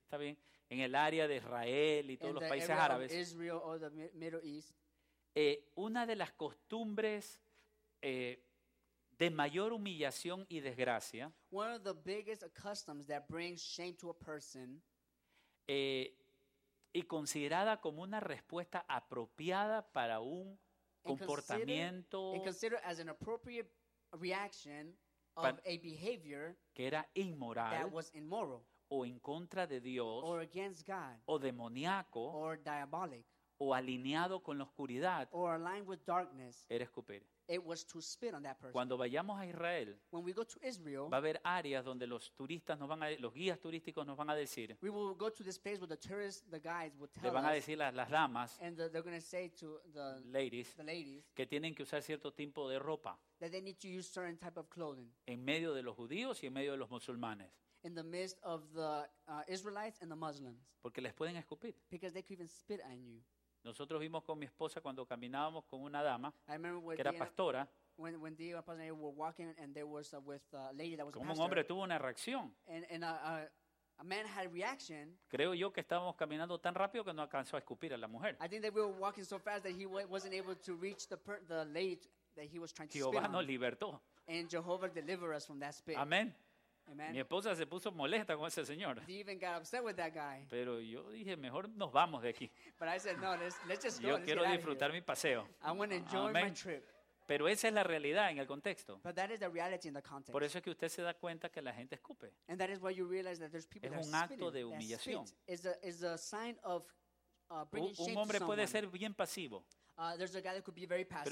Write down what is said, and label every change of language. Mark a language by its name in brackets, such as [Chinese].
[Spanish] Está bien, en el área de Israel y todos los países árabes. [English] Israel or the Middle East. [Spanish] Una de las costumbres de mayor humillación y desgracia. [English] One of the biggest customs that brings shame to a person. [Spanish] Y considerada como una respuesta apropiada para un comportamiento. [English] And considered as an appropriate reaction of a behavior [Spanish] que era inmoral, [English] that was immoral, [Spanish] o en contra de Dios, [English] or against God, [Spanish] o demoníaco, [English] or diabolic, [Spanish] o alineado con la oscuridad, [English] or aligned with darkness, [Spanish] era escupir. [English] It was to spit on that person. [Spanish] Cuando vayamos a Israel, [English] when we go to Israel, [Spanish] va a haber áreas donde los turistas nos van a, los guías turísticos nos van a decir, [English] we will go to this place where the tourists, the guides will tell us, [Spanish] le van a decir las damas, [English] and they're going to say to the ladies, [Spanish] que tienen que usar cierto tipo de ropa, [English] that they need to use certain type of clothing, [Spanish] en medio de los judíos y en medio de los musulmanes, [English] in the midst of the Israelites and the Muslims, [Spanish] porque les pueden escupir, [English] because they could even spit on you. [Spanish] Nosotros vimos con mi esposa cuando caminábamos con una dama que era pastora. [English] When Diego and Pastor were walking and there was with a lady that was a pastor. [Spanish] Como un hombre tuvo una reacción. [English] And a man had a reaction. [Spanish] Creo yo que estábamos caminando tan rápido que no alcanzó a escupir a la mujer. [English] I think that we were walking so fast that he wasn't able to reach the lady that he was trying to spit [Spanish] on. Jehová nos libertó. [English] And Jehovah delivered us from that spit. [Spanish] Amén. Mi esposa se puso molesta con ese señor. [English] He even got upset with that guy. [Spanish] Pero yo dije, mejor nos vamos de aquí. [English] But I said, no, let's just go. [Spanish] Yo quiero disfrutar mi paseo. [English] I want to enjoy my trip. [Spanish] Pero esa es la realidad en el contexto. [English] But that is the reality in the context. [Spanish] Por eso es que usted se da cuenta que la gente escupe. [English] And that is why you realize that there's people [Spanish] es [English] that [Spanish] un acto de humillación. [English] It's a sign of bringing shame to someone. [Spanish] Un hombre puede ser bien pasivo. [English] There's a guy that could be very passive.